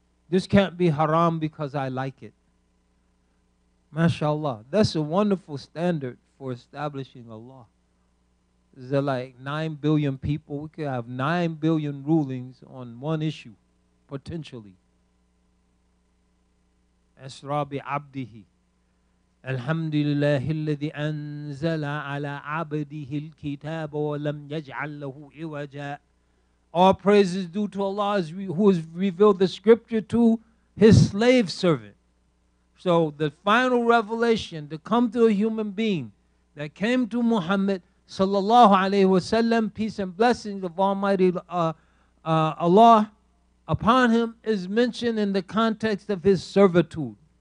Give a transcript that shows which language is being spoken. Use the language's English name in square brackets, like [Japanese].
[English] This can't be haram because I like it. MashaAllah. That's a wonderful standard for establishing Allah. Is there like 9 billion people? We could have 9 billion rulings on one issue, potentially. [Arabic] Esra bi abdihi. Alhamdulillah, الذي أنزل على عبده الكتاب ولم يجعل له عوجا. [English] All praise is due to Allah who has revealed the scripture to his slave servant. So the final revelation to come to a human being that came to Muhammad sallallahu alayhi wa sallam, peace and blessings of Almighty Allah upon him, is mentioned in the context of his servitude.